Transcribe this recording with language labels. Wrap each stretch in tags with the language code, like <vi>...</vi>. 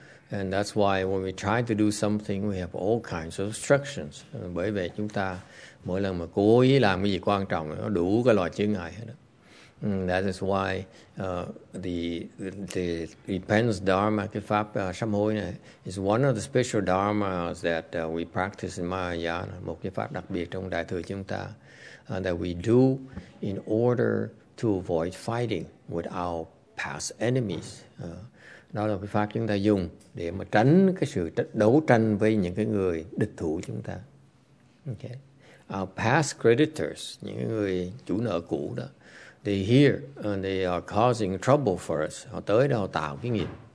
<en>And that's why when we try to do something, we have all kinds of obstructions.</en> <vi>Bởi vì chúng ta mỗi lần mà cố ý làm cái gì quan trọng, nó đủ cái loại chướng ngại hết đó.</vi> <en>That is why the repentance dharma,</en> <vi>cái pháp sám hối này,</vi> <en>is one of the special dharmas that we practice in Mahayana,</en> <vi>một cái pháp đặc biệt trong đại thừa chúng ta,</vi> <en>that we do in order to avoid fighting with our past enemies.</en> <vi>Đó là cái pháp chúng ta dùng để mà tránh cái sự đấu tranh với những cái người địch thủ chúng ta.</vi> <en>Okay. Our past creditors,</en> <vi>những người chủ nợ cũ đó,</vi> <en>they here and they are causing trouble for us.</en> <vi>Họ tới đó họ tạo cái nghiệp.</vi>